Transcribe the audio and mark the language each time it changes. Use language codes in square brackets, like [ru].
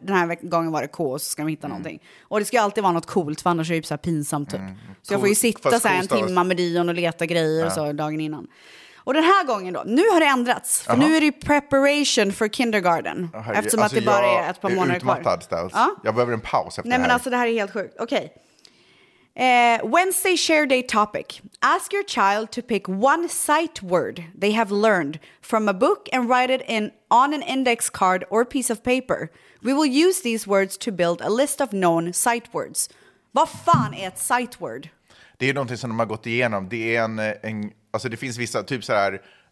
[sv] Den här gången var det K och så ska de hitta någonting. Och det ska ju alltid vara något coolt, för annars är det så här pinsamt typ. Cool. Så jag får ju sitta så här en timma med Dion och leta grejer och så dagen innan. Och den här gången då, nu har det ändrats. För nu är det [en] preparation for kindergarten. [sv] Eftersom alltså, att det bara är ett par månader kvar. Jag är utmattad. Ja? Jag behöver en paus efter nej, det här. Men alltså det här är helt sjukt. [en] Okej. Okay. Wednesday share day topic. Ask your child to pick one sight word they have learned from a book and write it in on an index card or piece of paper. We will use these words to build a list of known sight words. [sv] Vad fan är ett sight word? Det är någonting som de har gått igenom. Det är en alltså det finns vissa typ så här